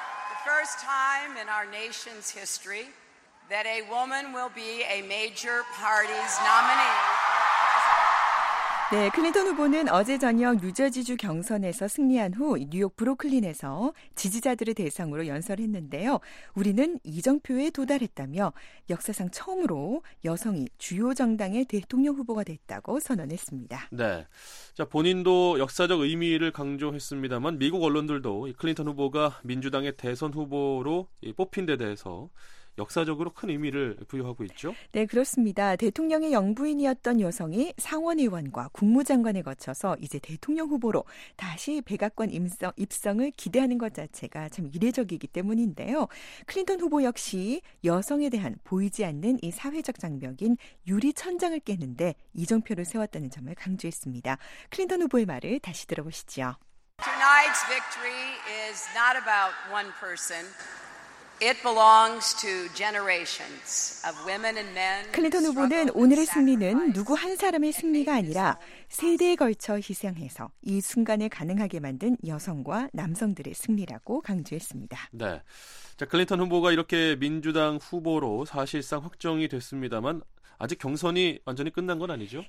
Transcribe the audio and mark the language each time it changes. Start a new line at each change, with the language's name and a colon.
English: The first time in our nation's history that a woman will be a major party's nominee.
Korean: 네, 클린턴 후보는 어제 저녁 뉴저지주 경선에서 승리한 후 뉴욕 브루클린에서 지지자들을 대상으로 연설했는데요. 우리는 이정표에 도달했다며 역사상 처음으로 여성이 주요 정당의 대통령 후보가 됐다고 선언했습니다. 네, 자 본인도 역사적 의미를 강조했습니다만 미국 언론들도 클린턴 후보가 민주당의 대선 후보로 뽑힌 데 대해서 역사적으로 큰 의미를 부여하고 있죠. 네, 그렇습니다. 대통령의 영부인이었던 여성이 상원의원과 국무장관에 거쳐서 이제 대통령 후보로 다시 백악관 입성을 기대하는 것 자체가 참 이례적이기 때문인데요. 클린턴 후보 역시 여성에 대한 보이지 않는 이 사회적 장벽인 유리 천장을 깨는데 이정표를 세웠다는 점을 강조했습니다. 클린턴 후보의 말을 다시 들어보시죠.
English: Tonight's victory is not about one person. It belongs to generations of women and men.
Korean: 클린턴 후보는 오늘의 승리는 누구 한 사람의 승리가 아니라 세대에 걸쳐 희생해서 이 순간을 가능하게 만든 여성과 남성들의 승리라고 강조했습니다. 네. 자, 클린턴 후보가 이렇게 민주당 후보로 사실상 확정이 됐습니다만 아직 경선이 완전히 끝난 건 아니죠?